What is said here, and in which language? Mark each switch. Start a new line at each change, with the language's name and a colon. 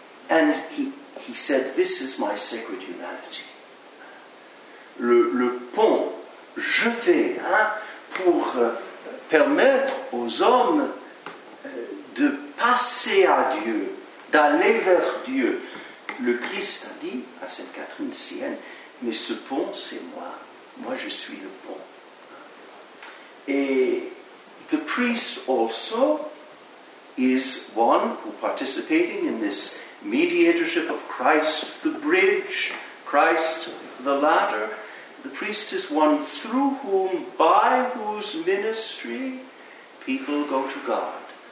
English: And he said, this is my sacred humanity.
French: Le pont jeté, hein, pour permettre aux hommes de passer à Dieu, d'aller vers Dieu. Le Christ a dit à Sainte Catherine de Sienne, mais ce pont, c'est moi. Moi, je suis le pont.
English: Et the priest also is one who participating in this mediatorship of Christ, the bridge, Christ, the ladder. The priest is one through whom, by whose ministry, people go to God.